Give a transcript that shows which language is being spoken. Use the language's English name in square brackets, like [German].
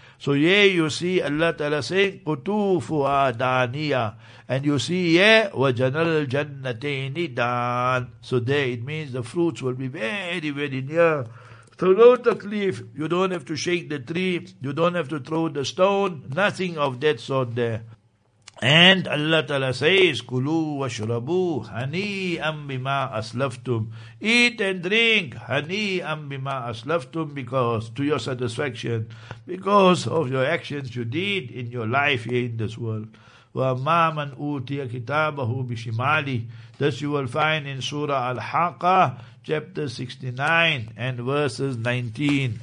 [English] So yeah, you see Allah Ta'ala saying, [Arabic] قُتُوفُهَا دَانِيَةً. [English] And you see, yeah, [Arabic] وَجَنَ الْجَنَّتَيْنِ دَانِ. [English] So there it means the fruits will be very, very near. So no taklif, you don't have to shake the tree, you don't have to throw the stone, nothing of that sort there. And Allah Ta'ala says, [Arabic] كُلُوا وَشْرَبُوا هَنِيئًا بِمَا أَسْلَفْتُمْ. [English] Eat and drink, [Arabic] هَنِيئًا بِمَا أَسْلَفْتُمْ, [English] because to your satisfaction, because of your actions you did in your life here in this world. [Arabic] وَأَمَّا مَنْ أُوْتِيَ كِتَابَهُ بِشِمَالِهِ. [English] This you will find in Surah Al-Haqqah, chapter 69 and verses 19.